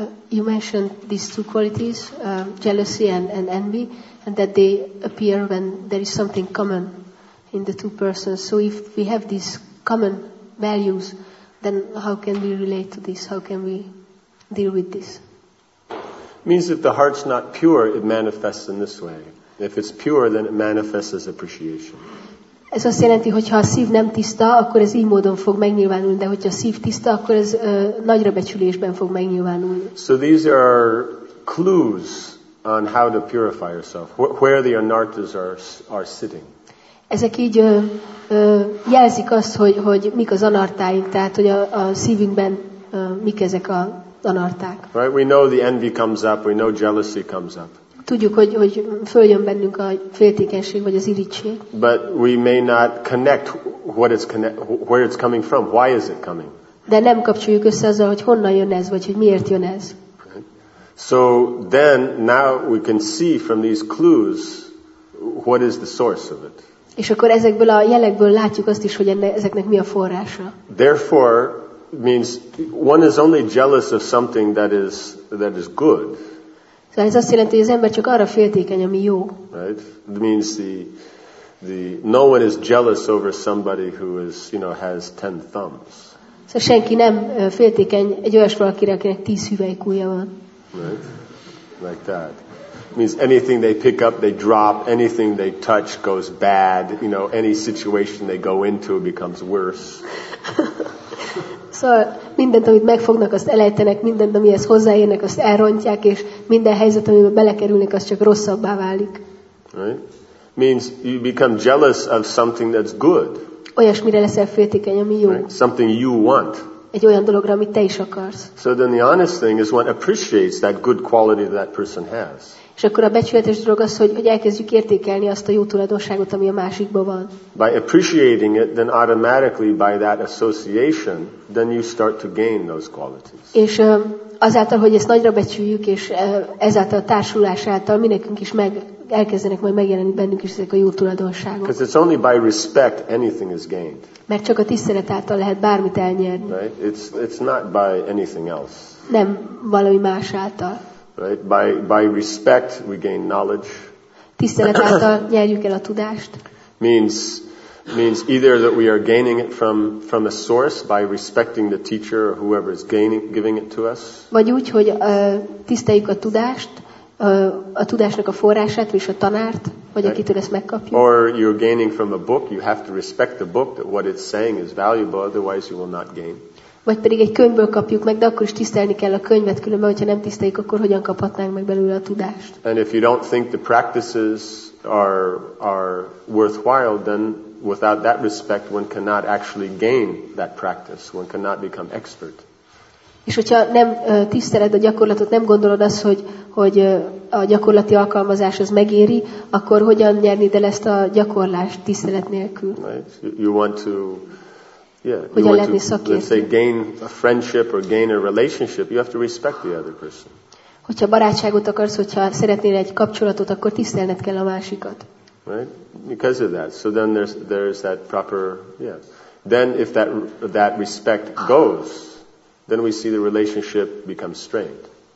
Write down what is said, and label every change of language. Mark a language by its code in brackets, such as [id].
[en] You mentioned these two qualities, jealousy and envy, and that they appear when there is something common in the two persons. So if we have these common values, then how can we relate to this? How can we deal with this? It means if the heart's not pure, it manifests in this way. If it's pure, then it manifests as appreciation. [hu] Ez azt jelenti, hogy ha a szív nem tiszta, akkor ez így módon fog megnyilvánulni, de hogyha a szív tiszta, akkor ez nagyra becsülésben fog megnyilvánulni. [en] So these are clues on how to purify yourself, where the anartas are sitting. [hu] Ezek így jelzik azt, hogy mik az anartáink, tehát hogy a szívünkben mik ezek az anarták. [en] Right, we know the envy comes up, we know jealousy comes up. [hu] Tudjuk, hogy följön bennünk a féltékenység vagy az irigység. [en] But we may not connect what it's connect, where it's coming from. Why is it coming? [hu] De nem kapcsoljuk össze azzal, hogy honnan jön ez, vagy hogy miért jön ez. [en] So then now we can see from these clues what is the source of it. [hu] És akkor ezekből a jelekből látjuk azt is, hogy ezeknek mi a forrása. [en] Therefore means one is only jealous of something that is good. [hu] Tehát ez azt jelenti, hogy az ember csak arra féltékeny, ami jó. [en] Right? It means the no one is jealous over somebody who is, you know, has 10 thumbs. [hu] Szóval senki nem féltékeny egy olyas valakire, akinek 10 hüvelykújja van. [en] Right? Like that. It means anything they pick up, they drop, anything they touch goes bad, you know, any situation they go into becomes worse. [hu] Szóval mindent, amit megfognak, azt elejtenek, mindent, amihez hozzáérnek, azt elrontják, és minden helyzet, amiben belekerülnek, az csak rosszabbá válik. [en] Right? Means you become jealous of something that's good. [hu] Olyasmire leszel féltékeny, ami jó. [en] Right? Something you want. [hu] Egy olyan dologra, amit te is akarsz. [en] So then the honest thing is one appreciates that good quality that person has. [hu] És akkor a becsületes dolog az, hogy elkezdjük értékelni azt a jó tulajdonságot, ami a másikban van. [en] By appreciating it, then automatically by that association, then you start to gain those qualities. [hu] És azáltal, hogy ezt nagyra becsüljük, és ezáltal a társulás által minekünk is elkezdenek majd megjelenni bennünk is ezek a jó tulajdonságok. [en] Because it's only by respect anything is gained. [hu] Mert csak a tisztelet által lehet bármit elnyerni. [en] Right? It's not by anything else. [hu] Nem valami más által. [en] Right? By respect we gain knowledge. [hu] Tisztelet által nyerjük el a tudást. [en] Means either that we are gaining it from a source by respecting the teacher or whoever is giving it to us. [hu] Vagy úgy, hogy tiszteljük a tudást, a tudásnak a forrását, vagyis a tanárt, vagy [en] right. [hu] Akitől ezt megkapjuk. [en] Or you're gaining from a book, you have to respect the book, that what it's saying is valuable, otherwise you will not gain. [hu] Vagy pedig egy könyvből kapjuk meg, de akkor is tisztelni kell a könyvet, különben, hogyha nem tiszteljük, akkor hogyan kaphatnánk meg belőle a tudást. [en] And if you don't think the practices are worthwhile, then without that respect, one cannot actually gain that practice. One cannot become expert. [hu] És hogyha nem tiszteled a gyakorlatot, nem gondolod azt, hogy a gyakorlati alkalmazás az megéri, akkor hogyan nyernéd el ezt a gyakorlást tisztelet nélkül? [en] Right. You want to, yeah. [hu] Hogyan [en] you [hu] lehetni szakértő? [en] Let's say gain a friendship or gain a relationship. You have to respect the other person. [hu] Hogyha barátságot akarsz, hogyha szeretnél egy kapcsolatot, akkor tisztelned kell a másikat. [en] Right? Because of that. So then there's that proper, yeah. Then if that respect goes, then we see the relationship becomes strained.